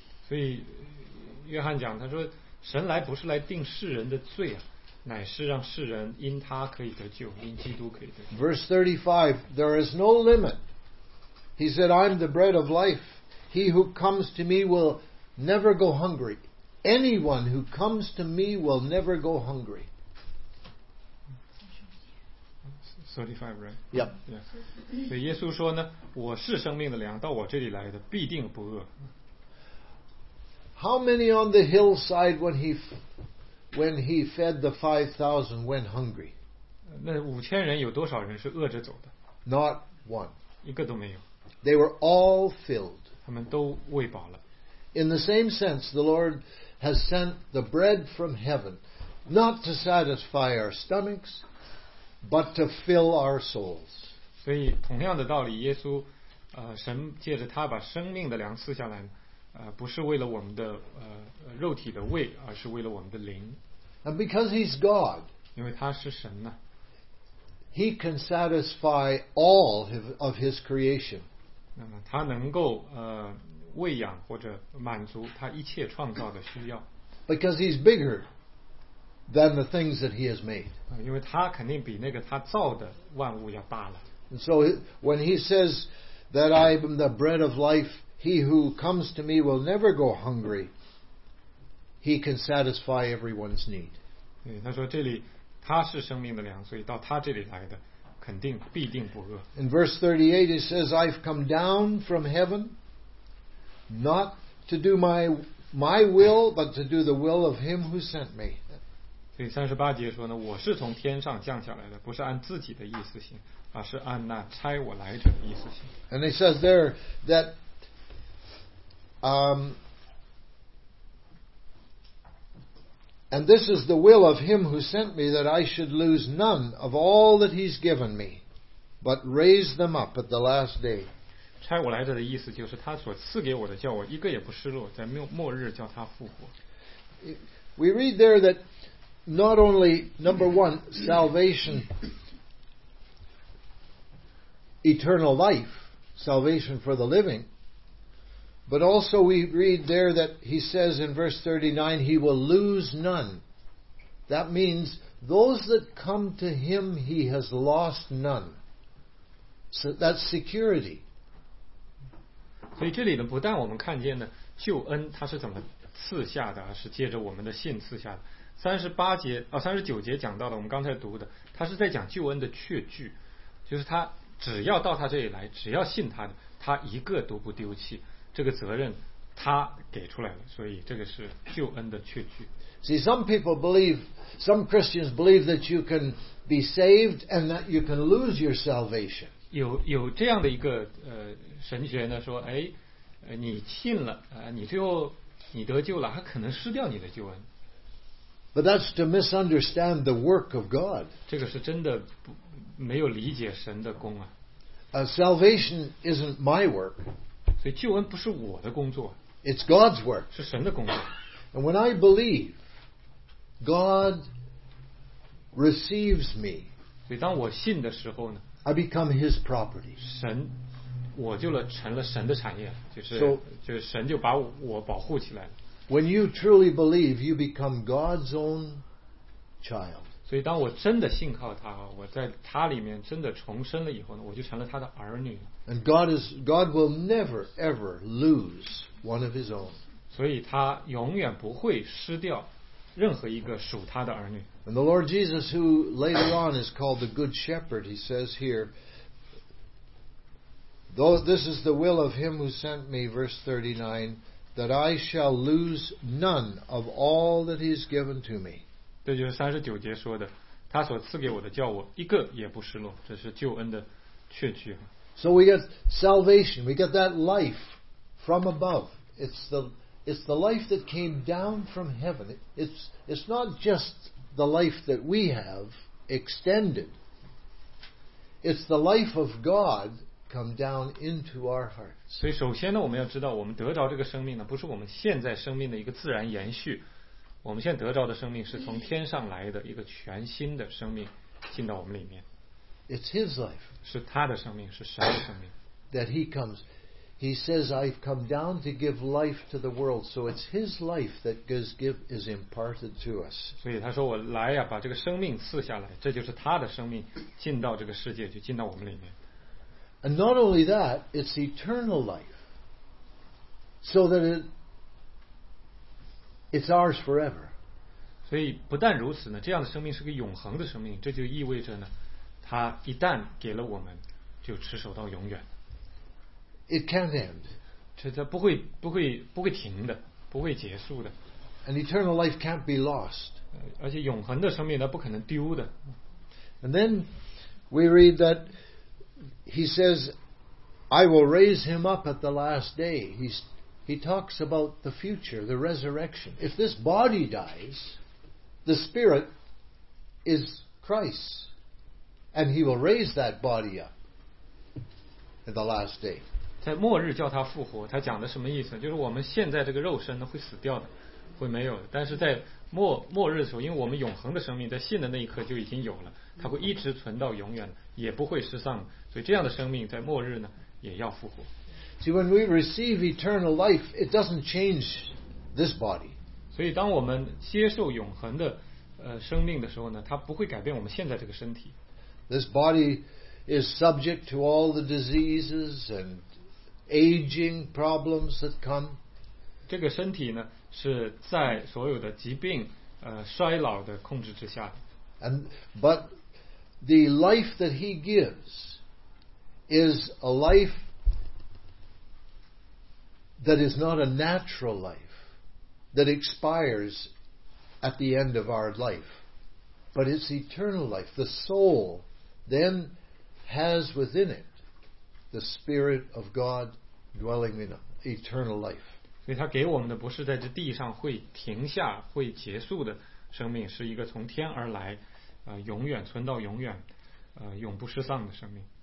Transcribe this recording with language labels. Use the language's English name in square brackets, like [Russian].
[Chinese] 所以约翰讲，他说神来不是来定世人的罪啊，乃是让世人因他可以得救，因基督可以得救。 [English] Verse 35, there is no limit. He said, I'm the bread of life. He who comes to me will never go hungry. Anyone who comes to me will never go hungry. 35, right? Yep. [Chinese] Yeah. 所以耶稣说呢，我是生命的粮，到我这里来的必定不饿。 [English] How many on the hillside when he fed the 5,000 went hungry? [Chinese] 那五千人有多少人是饿着走的？ [English] Not one. [Chinese] 一个都没有。 [English] They were all filled. [Chinese] 他们都喂饱了。 [English] In the same sense, the Lord has sent the bread from heaven, not to satisfy our stomachs. But to fill our souls. [Chinese] 所以同样的道理，耶稣，神借着他把生命的粮赐下来，不是为了我们的肉体的胃，而是为了我们的灵。 [English] And because he's God, [Chinese] 因为他是神呢 [English] ，He can satisfy all of his creation. [Chinese] 那么他能够喂养或者满足他一切创造的需要。 [English] Because he's bigger. Than the things that he has made. [Chinese] 因为他肯定比那个他造的万物要大了。 [English] And so when he says that I am the bread of life, he who comes to me will never go hungry. He can satisfy everyone's need. [Chinese] 对，他说这里他是生命的粮，所以到他这里来的肯定必定不饿。 [English] In verse 38, he says, "I've come down from heaven, not to do my will, but to do the will of him who sent me." [Chinese] 所以三十八节说呢，我是从天上降下来的，不是按自己的意思行，而是按那差我来者的意思行。 [English] And it says there that, and this is the will of him who sent me that I should lose none of all that he's given me, but raise them up at the last day. [Chinese] 差我来者的意思就是他所赐给我的叫我一个也不失落，在末日叫他复活。 [English] We read there that not only number one salvation eternal life salvation for the living, but also we read there that he says in verse 39 he will lose none. That means those that come to him he has lost none. So that's security. [Chinese] 所以这里呢，不但我们看见呢救恩他是怎么赐下的，而是借着我们的信赐下的。 39节讲到了我们刚才读的，他是在讲救恩的确据，就是他只要到他这里来，只要信他的，他一个都不丢弃，这个责任他给出来了，所以这个是救恩的确据。 [English] See, some people believe, some Christians believe that you can be saved and that you can lose your salvation. [Chinese] 有这样的一个神学呢，说，哎，你信了，你最后你得救了，他可能失掉你的救恩。 [English] But that's to misunderstand the work of God. [Chinese] 这个是真的不没有理解神的功啊。 [English] Salvation isn't my work. [Chinese] 所以救恩不是我的工作。 [English] It's God's work. [Chinese] 是神的工作。 [English] And when I believe, God receives me. [Chinese] 所以当我信的时候呢 [English] ，I become His property. [Chinese] 神，我就了成了神的产业，就是神就把我保护起来了。 [English] When you truly believe, you become God's own child. [Chinese] 所以当我真的信靠他，我在他里面真的重生了以后呢，我就成了他的儿女。 [English] And God will never ever lose one of His own. [Chinese] 所以他永远不会失掉任何一个属他的儿女。 [English] And the Lord Jesus, who later on is called the Good Shepherd, He says here, though this is the will of Him who sent me, verse 39. That I shall lose none of all that He has given to me. [Chinese] 这就是三十九节说的，他所赐给我的叫我一个也不失落，这是救恩的确据。 [English] So we get salvation, we get that life from above. It's the life that came down from heaven. It's not just the life that we have extended. It's the life of God. Come down into our hearts. [Chinese] 所以首先呢，我们要知道，我们得着这个生命呢，不是我们现在生命的一个自然延续。我们现在得着的生命是从天上来的一个全新的生命，进到我们里面。 [English] It's His life. [Chinese] 是他的生命，是神的生命。 [English] That He comes, He says, "I've come down to give life to the world." So it's His life that is imparted to us. [Chinese] 所以他说：“我来呀，把这个生命赐下来。” 这就是他的生命进到这个世界，就进到我们里面。 [English] And not only that, it's eternal life. So that it's ours forever. [Chinese] 所以不但如此呢，这样的生命是个永恒的生命，这就意味着呢，它一旦给了我们，就持守到永远。 [English] It can't end. [Chinese] 这它不会停的，不会结束的。 [English] And eternal life can't be lost. [Chinese] 而且永恒的生命它不可能丢的。 [English] And then we read that. He says, "I will raise him up at the last day." He talks about the future, the resurrection. If this body dies, the spirit is Christ, and He will raise that body up at the last day. [Chinese] 在末日叫他复活，他讲的什么意思？就是我们现在这个肉身呢会死掉的，会没有的。但是在末日的时候，因为我们永恒的生命在信的那一刻就已经有了，它会一直存到永远，也不会失丧。所以这样的生命在末日呢也要复活。 [English] See, when we receive eternal life, it doesn't change this body. [Chinese] 所以当我们接受永恒的生命的时候呢，它不会改变我们现在这个身体。 [English] This body is subject to all the diseases and aging problems that come. [Chinese] 这个身体呢是在所有的疾病衰老的控制之下的。 [English] But the life that He gives. Is a life that is not a natural life that expires at the end of our life, but it's eternal life. The soul then has within it the Spirit of God dwelling in eternal life. [Chinese] 所以他给我们的不是在这地上会停下、会结束的生命，是一个从天而来，永远存到永远，永不失丧的生命。